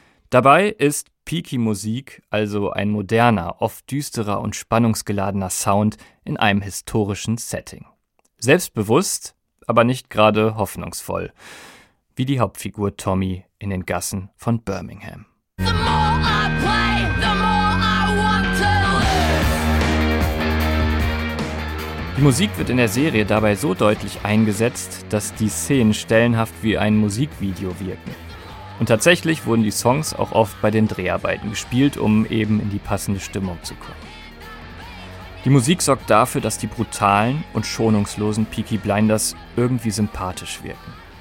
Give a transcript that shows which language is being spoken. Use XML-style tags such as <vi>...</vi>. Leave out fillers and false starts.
<de>Dabei ist Peaky-Musik also ein moderner, oft düsterer und spannungsgeladener Sound in einem historischen Setting. Selbstbewusst, aber nicht gerade hoffnungsvoll. Wie die Hauptfigur Tommy in den Gassen von Birmingham.</de> <en>The more I play, the more I want to live.</en> <de>Die Musik wird in der Serie dabei so deutlich eingesetzt, dass die Szenen stellenhaft wie ein Musikvideo wirken. Und tatsächlich wurden die Songs auch oft bei den Dreharbeiten gespielt, um eben in die passende Stimmung zu kommen. Die Musik sorgt dafür, dass die brutalen und schonungslosen Peaky Blinders irgendwie sympathisch wirken.</de>